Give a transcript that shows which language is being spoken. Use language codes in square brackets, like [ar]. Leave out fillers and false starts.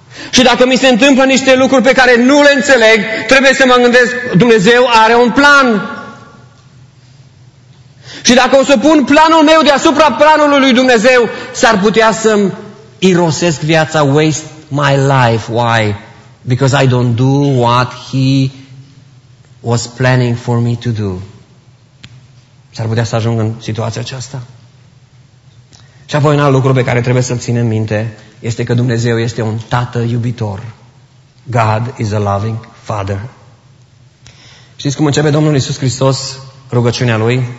[ro] Și dacă mi se întâmplă niște lucruri pe care nu le înțeleg, trebuie să mă gândesc, Dumnezeu are un plan. Și dacă o să pun planul meu deasupra planului lui Dumnezeu, s-ar putea să-mi irosesc viața, [en] waste my life. Why? Because I don't do what He was planning for me to do. [ro] S-ar putea să ajung în situația aceasta. Și apoi un alt lucru pe care trebuie să-l ținem minte este că Dumnezeu este un tată iubitor. [en] God is a loving father. [ro] Știți cum începe Domnul Iisus Hristos rugăciunea Lui?